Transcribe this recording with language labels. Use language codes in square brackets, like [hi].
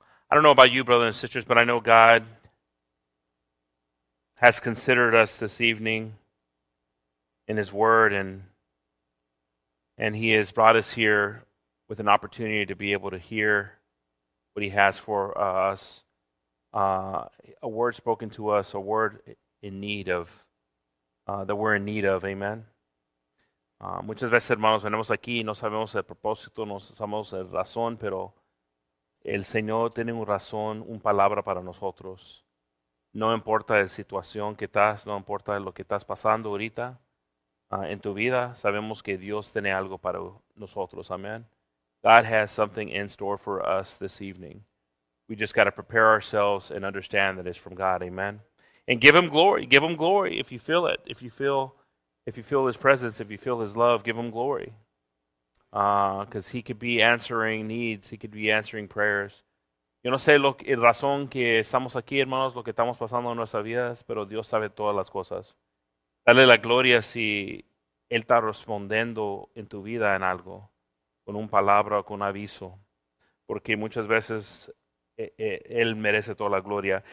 [en] I don't know about you, brothers and sisters, but I know God has considered us this evening in his word, and he has brought us here with an opportunity to be able to hear what he has for us, a word spoken to us, a word in need of, that we're in need of, amen? [es] Muchas veces, hermanos, venimos aquí y no sabemos el propósito, no sabemos la razón, pero el Señor tiene un razón, un palabra para nosotros. No importa la situación que estás, no importa lo que estás pasando ahorita en tu vida, sabemos que Dios tiene algo para nosotros. [en] Amen. God has something in store for us this evening. We just got to prepare ourselves and understand that it's from God. Amen. And give him glory. Give him glory if you feel it. If you feel his presence, if you feel his love, give him glory. Because he could be answering needs, he could be answering prayers. [es] Yo no sé lo que razón que estamos aquí, hermanos, lo que estamos pasando en nuestras vidas, pero Dios sabe todas las cosas. Dale la gloria si él está respondiendo en tu vida en algo, con un palabra, con un aviso, porque muchas veces él merece toda la gloria.